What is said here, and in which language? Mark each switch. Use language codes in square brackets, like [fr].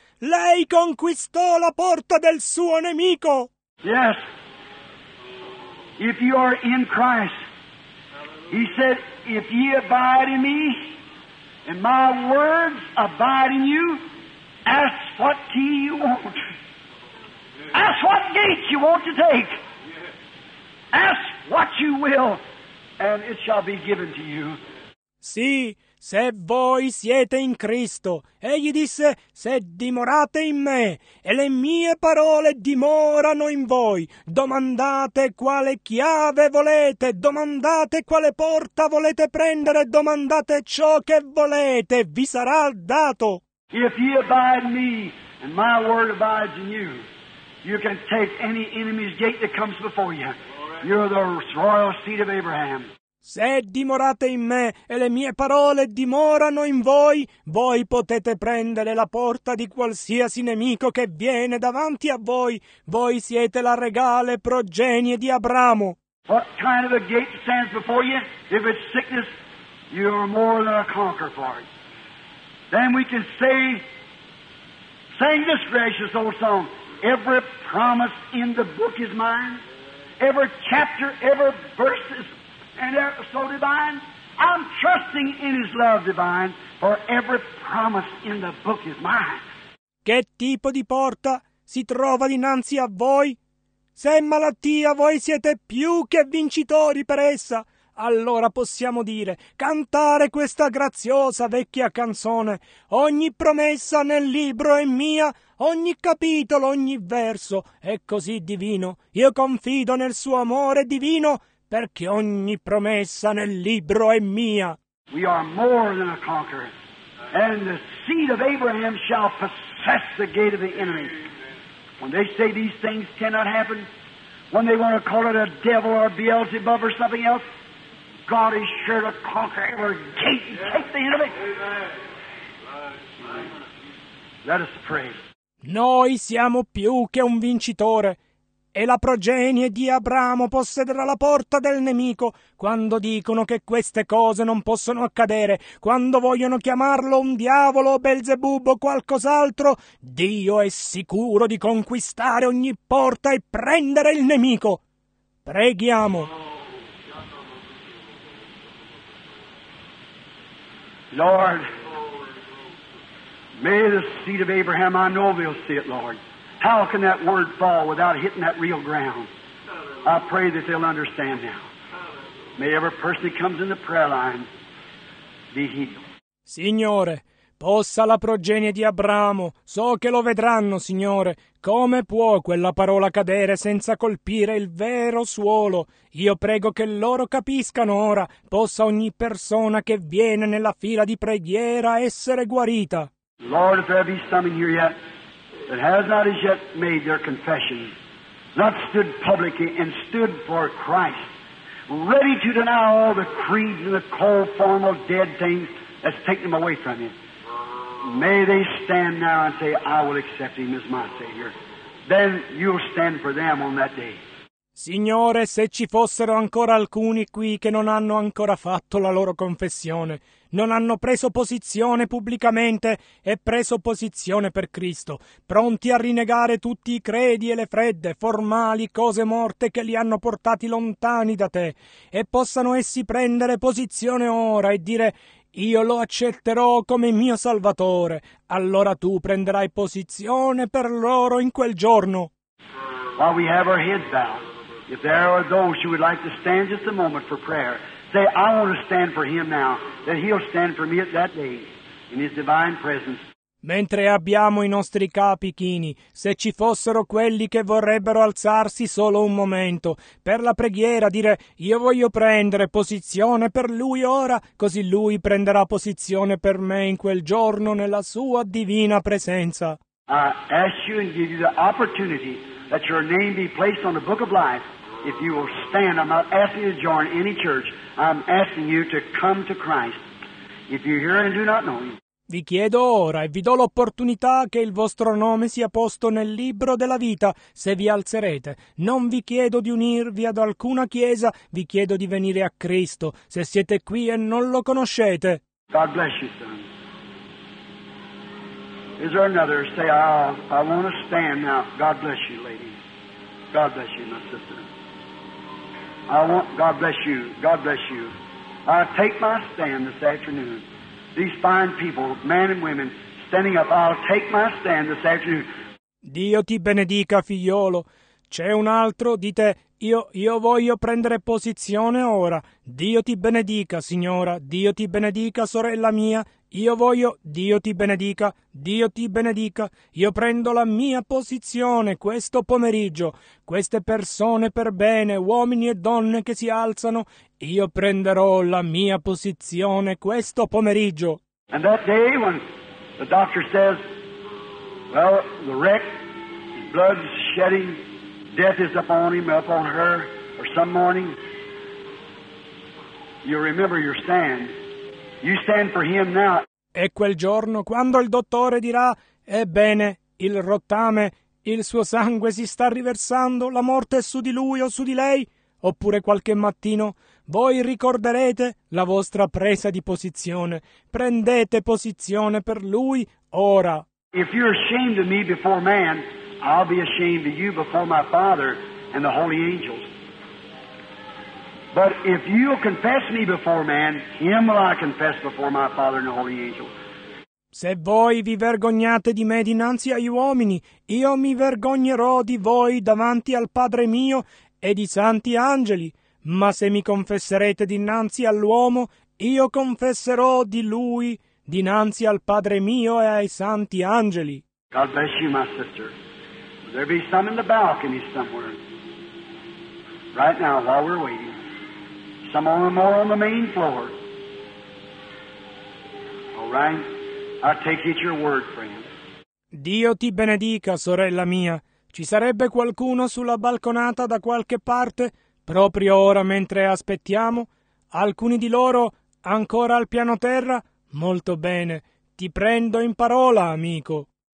[it] Lei conquistò la porta del suo nemico. [en] Yes. If you are in Christ, he said, if ye abide in me, and my words abide in you, ask what key you want. Ask what gate you want to take. Ask what you will, and it shall be given to you. [it] Sì, se voi siete in Cristo, egli disse, se dimorate in me e le mie parole dimorano in voi, domandate quale chiave volete, domandate quale porta volete prendere, domandate ciò che volete, vi sarà dato. [en] If you abide in me and my word abides in you, you can take any enemy's gate that comes before you. You're the royal seed of Abraham. [it] Se dimorate in me e le mie parole dimorano in voi, voi potete prendere la porta di qualsiasi nemico che viene davanti a voi. Voi siete la regale progenie di Abramo. [en] What kind of a gate stands before you? If it's sickness, you are more than a conqueror for it. Then we can say, sing this gracious old song, every promise in the book is mine, every chapter, every verse is mine. And so divine, I'm trusting in his love divine, for every promise in the book is mine. [it] Che tipo di porta si trova dinanzi a voi? Se è malattia, voi siete più che vincitori per essa. Allora possiamo dire, cantare questa graziosa vecchia canzone. Ogni promessa nel libro è mia, ogni capitolo, ogni verso è così divino. Io confido nel suo amore divino, perché ogni promessa nel libro è mia. [en] We are more than a conqueror, and the seed of Abraham shall possess the gate of the enemy. When they say these things cannot happen, when they want to call it a devil or Beelzebub or something else, God is sure to conquer every gate and take the enemy. Let us pray. [it] Noi siamo più che un vincitore, e la progenie di Abramo possederà la porta del nemico. Quando dicono che queste cose non possono accadere, quando vogliono chiamarlo un diavolo o Belzebub o qualcos'altro, Dio è sicuro di conquistare ogni porta e prendere il nemico. Preghiamo. [en] Lord, may the seed of Abraham, I know they'll see it, Lord. How can that word fall without hitting that real ground? I pray that they'll understand now. May every person that comes in the prayer line be healed. [it] Signore, possa la progenie di Abramo, so che lo vedranno, Signore, come può quella parola cadere senza colpire il vero suolo? Io prego che loro capiscano ora, possa ogni persona che viene nella fila di preghiera essere guarita. [en] Lord, if there be some in here yet, that has not as yet made their confession, not stood publicly and stood for Christ, ready to deny all the creeds and the cold form of dead things that's taken them away from you. May they stand now and say, I will accept him as my Savior. Then you'll stand for them on that day. [it] Signore, se ci fossero ancora alcuni qui che non hanno ancora fatto la loro confessione, non hanno preso posizione pubblicamente e preso posizione per Cristo, pronti a rinnegare tutti i credi e le fredde, formali cose morte che li hanno portati lontani da te, e possano essi prendere posizione ora e dire, io lo accetterò come mio Salvatore, allora tu prenderai posizione per loro in quel giorno. [en] While we have our heads bowed, if there are those who would like to stand just a moment for prayer, say, I want to stand for him now, that he'll stand for me at that day in his divine presence. [it] Mentre abbiamo i nostri capi chini, se ci fossero quelli che vorrebbero alzarsi solo un momento, per la preghiera dire, io voglio prendere posizione per lui ora, così lui prenderà posizione per me in quel giorno nella sua divina presenza. [en] I ask you and give you the opportunity that your name be placed on the book of life. if you will stand, I'm not asking you to join any church. I'm asking you to come to Christ. If you're here and do not know him. [it] Vi chiedo ora e vi do l'opportunità che il vostro nome sia posto nel libro della vita se vi alzerete. Non vi chiedo di unirvi ad alcuna chiesa, vi chiedo di venire a Cristo se siete qui e non lo conoscete. [en] God bless you, son. Is there another? Say, I want to stand now. God bless you, lady. God bless you, my sister. God bless you. God bless you. I take my stand this afternoon. These fine people, men and women, standing up, I'll take my stand this afternoon. [it] Dio ti benedica, figliolo. C'è un altro di te. Io voglio prendere posizione ora. Dio ti benedica, signora. Dio ti benedica, sorella mia. Io voglio, Dio ti benedica, Dio ti benedica. Io prendo la mia posizione questo pomeriggio. Queste persone per bene, uomini e donne che si alzano, io prenderò la mia posizione questo pomeriggio. [en] And that day when the doctor says, well, the wreck, blood is shedding, death is upon him, upon her, or some morning, you remember your stand. You stand for him now. [it] E quel giorno, quando il dottore dirà, ebbene, il rottame, il suo sangue si sta riversando, la morte è su di lui o su di lei, oppure qualche mattino, voi ricorderete la vostra presa di posizione. Prendete posizione per lui ora. [en] If you're ashamed of me before man, I'll be ashamed of you before my Father and the holy angels. But if you confess me before man, him will I confess before my Father and the holy angels. [it] Se voi vi vergognate di me dinanzi agli uomini, io mi vergognerò di voi davanti al Padre mio e di santi angeli. Ma se mi confesserete dinanzi all'uomo, io confesserò di lui dinanzi al Padre mio e ai santi angeli. [en] God bless you, my sister. Will there be some in the balcony somewhere? Right now, while we're waiting. Some on the more on the main floor. All right, I take it your word, friend. [it] Dio ti benedica, sorella mia. Ci sarebbe qualcuno sulla balconata da qualche parte? Proprio ora mentre aspettiamo? Alcuni di loro ancora al piano terra? Molto bene. Ti prendo in parola, amico.